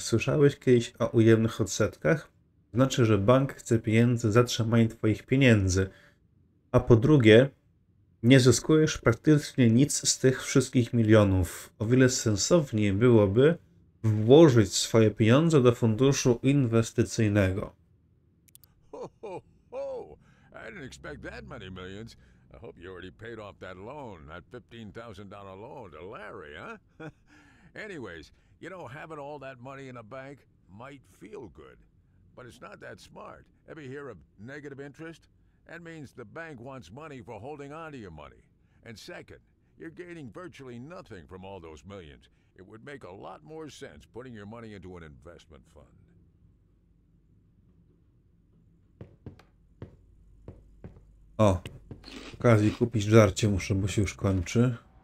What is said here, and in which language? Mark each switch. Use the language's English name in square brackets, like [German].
[Polish] Słyszałeś kiedyś o ujemnych odsetkach? Znaczy, że bank chce pieniędzy za trzymanie twoich pieniędzy. A po drugie, nie zyskujesz praktycznie nic z tych wszystkich milionów. O wiele sensowniej byłoby włożyć swoje pieniądze do funduszu inwestycyjnego. [English] Ho, I didn't expect that many millions. I hope you already paid off that loan, that $15,000 loan to Larry, huh? Anyways, you know, having all that money in a bank might feel good, but it's not that smart. Ever hear of negative interest? That means the bank wants money for holding on to your money. And second, you're gaining virtually nothing from all those millions. It would make a lot more sense putting your money into an investment fund. [Polish] O, okazji kupić żarcie muszę, bo się już kończy.